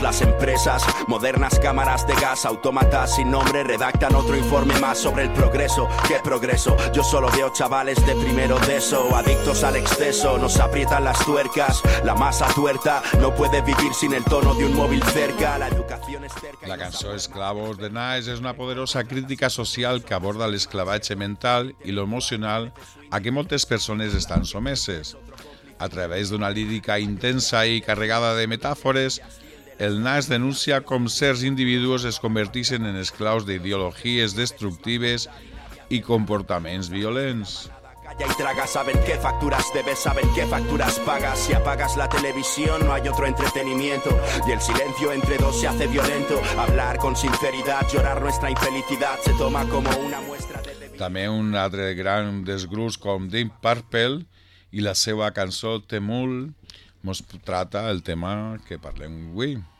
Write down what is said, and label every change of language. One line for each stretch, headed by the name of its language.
Spanish: Las empresas, modernas cámaras de gas, autómatas sin nombre, redactan otro informe más sobre el progreso. ¿Qué progreso? Yo solo veo chavales de primero de eso, adictos al exceso, nos aprietan las tuercas. La masa tuerta no puede vivir sin el tono de un móvil cerca. La educación es cerca. La canción Esclavos de Nice es una poderosa crítica social que aborda
Catalan: l'esclavatge mental i l'emocional a què moltes persones estan someses. A través d'una lírica intensa i carregada de metàfores, el Nas denuncia com certs individus es converteixen en esclaus d'ideologies destructives i comportaments violents.
Spanish: Calla y traga, saben qué facturas debes, saben qué facturas pagas. Si apagas la televisión no hay otro entretenimiento. Y el silencio entre dos se hace violento. Hablar con sinceridad, llorar nuestra infelicidad se toma como una muestra de debilidad.
Catalan: També un altre gran desgrús com Deep Purple i la seva cançó Temul mos trata el tema que parlem avui.